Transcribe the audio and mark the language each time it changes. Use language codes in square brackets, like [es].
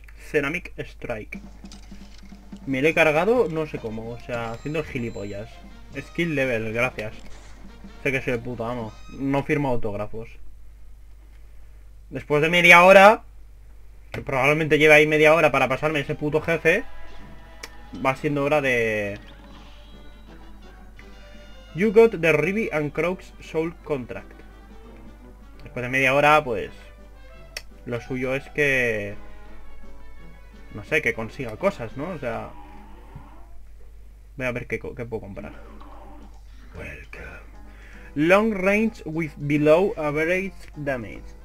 [es] Ceramic Strike. Me lo he cargado, no sé cómo, o sea, haciendo gilipollas. Skill level, gracias. Sé que soy el puto amo. No firmo autógrafos. Después de media hora, que probablemente lleve ahí media hora para pasarme ese puto jefe, va siendo hora de... [en] You got the Ribby and Croak's soul contract. [es] Después de media hora, pues... Lo suyo es que... No sé, que consiga cosas, ¿no? O sea... Voy a ver qué puedo comprar. [en] Welcome. Long range with below average damage.